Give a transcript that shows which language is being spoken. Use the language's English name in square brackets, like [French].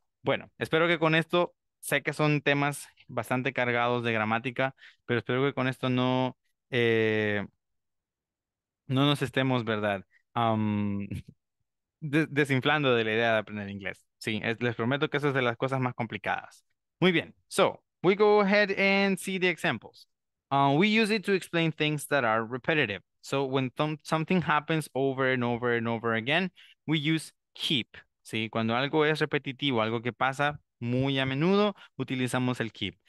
[Spanish] Bueno, espero que con esto, sé que son temas bastante cargados de gramática, pero espero que con esto no nos estemos, ¿verdad?, desinflando de la idea de aprender inglés. Sí, les prometo que eso es de las cosas más complicadas. Muy bien. [English] So, we go ahead and see the examples. We use it to explain things that are repetitive. So, when something happens over and over and over again, we use keep. [Spanish] Sí, cuando algo es repetitivo, algo que pasa muy a menudo, utilizamos el keep.